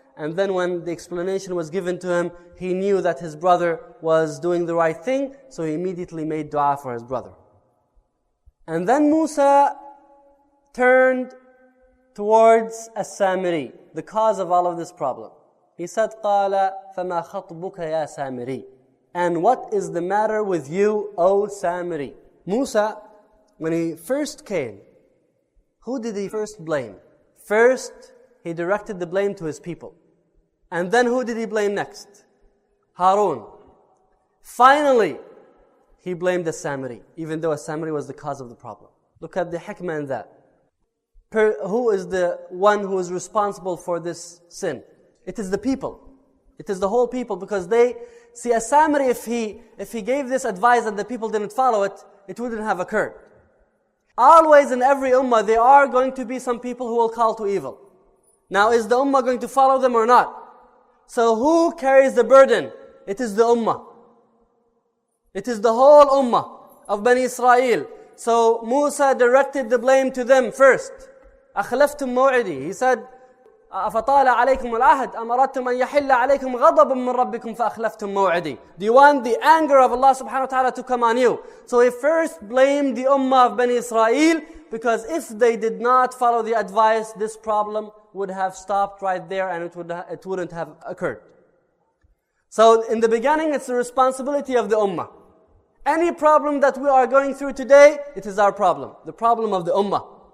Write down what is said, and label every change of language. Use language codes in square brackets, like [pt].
[en] And then when the explanation was given to him, he knew that his brother was doing the right thing, so he immediately made dua for his brother. And then Musa turned towards As-Samiri, the cause of all of this problem. He said, [ar] قَالَ فَمَا خَطْبُكَ يَا سَامِرِي. [en] And what is the matter with you, O Samiri? Musa, when he first came, who did he first blame? First, he directed the blame to his people. And then who did he blame next? Harun. Finally, he blamed As-Samiri, even though As-Samiri was the cause of the problem. Look at the hikmah in that. Who is the one who is responsible for this sin? It is the people. It is the whole people, because they see As-Samiri, if he gave this advice and the people didn't follow it, it wouldn't have occurred. Always in every ummah, there are going to be some people who will call to evil. Now, is the ummah going to follow them or not? So who carries the burden? It is the ummah. It is the whole ummah of Bani Israel. So Musa directed the blame to them first. [ar] أَخْلَفْتُمْ مَوْعِدِي. [en] He said, [ar] أَفَطَالَ عَلَيْكُمُ الْعَهْدِ أَمَرَدْتُمْ أَنْ يَحِلَّ عَلَيْكُمْ غَضَبٌ مِّنْ رَبِّكُمْ فَأَخْلَفْتُمْ مَوْعِدِي. [en] Do you want the anger of Allah subhanahu wa ta'ala to come on you? So he first blamed the ummah of Bani Israel, because if they did not follow the advice, this problem would have stopped right there and it wouldn't have occurred. So in the beginning, it's the responsibility of the ummah. Any problem that we are going through today, it is our problem. The problem of the ummah.